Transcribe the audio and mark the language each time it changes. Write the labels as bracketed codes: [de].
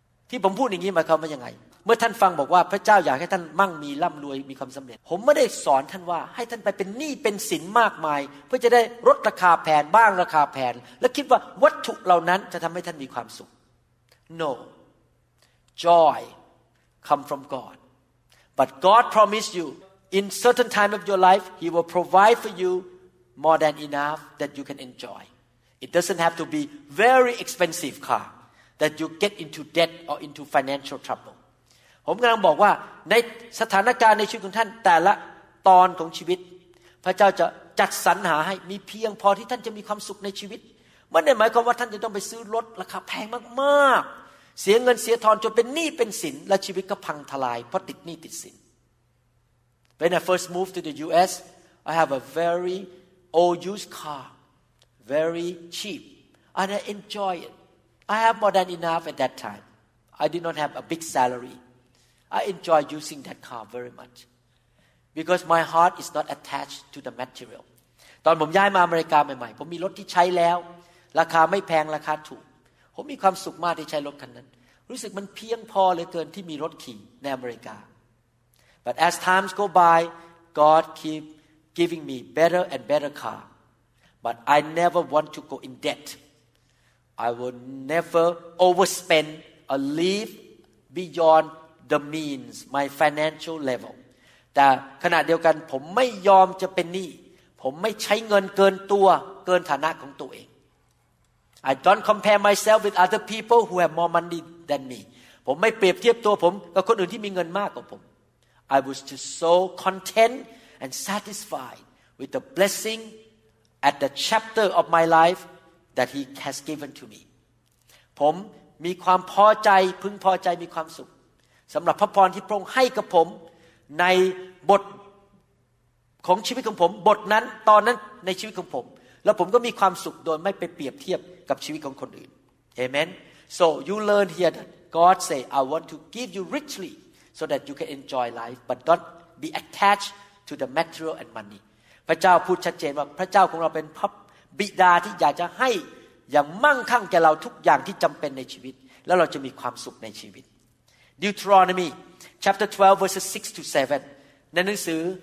[th] ที่ผมพูดอย่างนี้หมายความว่ายังไงเมื่อท่านฟังบอกว่าพระเจ้าอยากให้ท่านมั่งมีร่ำรวยมีความสำเร็จผมไม่ได้สอนท่านว่าให้ท่านไปเป็นหนี้เป็นสินมากมายเพื่อจะได้รถราคาแพงบ้านราคาแพงและคิดว่าวัตถุเหล่านั้นจะทำให้ท่านมีความสุข [en] No, joy come from God. But God promised you in certain time of your life, He will provide for you more than enough that you can enjoy. It doesn't have to be very expensive car that you get into debt or into financial trouble. [th] ผมกำลังบอกว่าในสถานการณ์ในชีวิตของท่านแต่ละตอนของชีวิตพระเจ้าจะจัดสรรหาให้มีเพียงพอที่ท่านจะมีความสุขในชีวิตมันไม่หมายความว่าท่านจะต้องไปซื้อรถราคาแพงมากๆเสียเงินเสียทองจนเป็นหนี้เป็นสินและชีวิตก็พังทลายเพราะติดหนี้ติดสิน [en] When I first moved to the U.S., I have a very old used car. Very cheap, and I enjoy it. I have more than enough at that time. I did not have a big salary. I enjoy using that car very much because my heart is not attached to the material. [th] ตอนผมย้ายมาอเมริกาใหม่ๆผมมีรถที่ใช้แล้วราคาไม่แพงราคาถูกผมมีความสุขมากที่ใช้รถคันนั้นรู้สึกมันเพียงพอเลยเกินที่มีรถขี่ในอเมริกา [en] But as times go by, God keep giving me better and better car. But I never want to go in debt. I will never overspend or live beyond the means, my financial level. [th] แต่ขณะเดียวกันผมไม่ยอมจะเป็นหนี้ผมไม่ใช้เงินเกินตัวเกินฐานะของตัวเอง [en] I don't compare myself with other people who have more money than me. [th] ผมไม่เปรียบเทียบตัวผมกับคนอื่นที่มีเงินมากกว่าผม [en] I was just so content and satisfied with the blessingAt the chapter of my life that he has given to me. [th] ผมมีความพอใจพึงพอใจมีความสุขสำหรับพระพรที่พระองค์ให้กับผมในบทของชีวิตของผมบทนั้นตอนนั้นในชีวิตของผมแล้วผมก็มีความสุขโดยไม่ไปเปรียบเทียบกับชีวิตของคนอื่น [en] Amen. So you learn here that God say I want to give you richly so that you can enjoy life but don't be attached to the material and money. [th] พระเจ้าพูดชัดเจนว่าพระเจ้าของเราเป็นพระบิดาที่อยากจะให้อย่างมั่งคั่งแก่เราทุกอย่างที่จำเป็นในชีวิตแล้วเราจะมีความสุขในชีวิต [en] Deuteronomy chapter 12 verses 6 to 7 [th] ในหนังสือ